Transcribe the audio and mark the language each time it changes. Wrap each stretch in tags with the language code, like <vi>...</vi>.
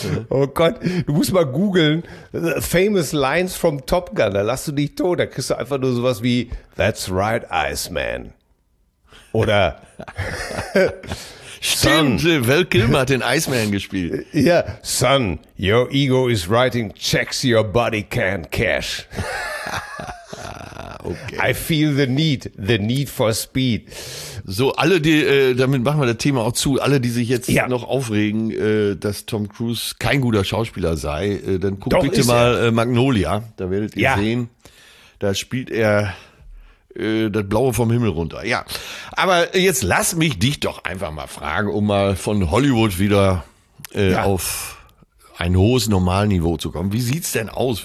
<de>Oh Gott, du musst mal googeln.</de> <en>Famous Lines from Top Gun,</en> <de>da lass du dich tot. Da kriegst du einfach nur sowas wie</de> <en>That's right, Iceman.</en> <de>Oder</de> <en>Son.</en> <de>Stimmt, Val Kilmer hat den Iceman gespielt.</de> <en>Ja, Son, your ego is writing checks your body can't cash. Okay. I feel the need for speed.</en> <de>So, alle, die, damit machen wir das Thema auch zu, alle, die sich jetzt noch aufregen, dass Tom Cruise kein guter Schauspieler sei, dann guckt bitte mal Magnolia, da werdet ihr sehen, da spielt er das Blaue vom Himmel runter. Ja, aber jetzt lass mich dich doch einfach mal fragen, um mal von Hollywood wieder auf ein hohes Normalniveau zu kommen. Wie sieht's denn aus?</de>